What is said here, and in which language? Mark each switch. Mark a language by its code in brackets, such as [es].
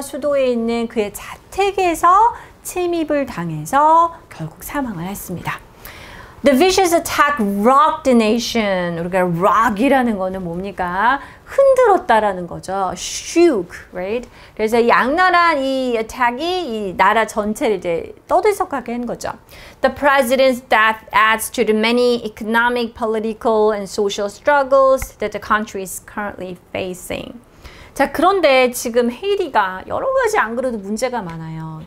[ko] 수도에 있는 그의 자택에서 침입을 당해서 결국 사망을 했습니다. [en] The vicious attack rocked the nation. [ko] 우리가 rock이라는 거는 뭡니까? 흔들었다라는 거죠. [en] Shook, right? [ko] 그래서 이 악랄한 이 attack이 이 나라 전체를 이제 떠들썩하게 한 거죠. [en] The president's death adds to the many economic, political, and social struggles that the country is currently facing. [ko] 자, 그런데 지금 헤이티가 여러 가지 안 그래도 문제가 많아요.